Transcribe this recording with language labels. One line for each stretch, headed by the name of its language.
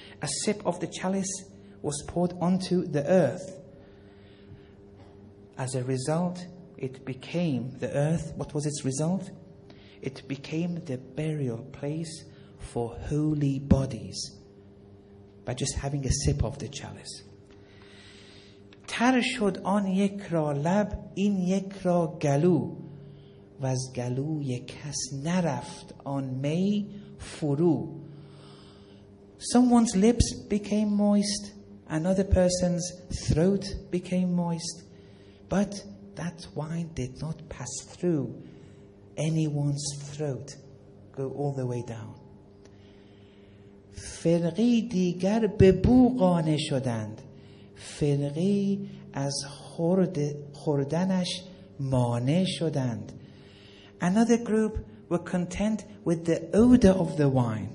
English: A sip of the chalice was poured onto the earth. As a result, it became the earth. What was its result? It became the burial place for holy bodies by just having a sip of the chalice.
Persian: تر شد آن یک را لب، این یک را گلو، و از گلو یک کس نرفت آن می فرو.
English: Someone's lips became moist, another person's throat became moist, but that wine did not pass through anyone's throat, go all the way down.
Persian: فرقی دیگر به بو قانه شدند، فرقی از خوردنش مانه شدند.
English: Another group were content with the odor of the wine.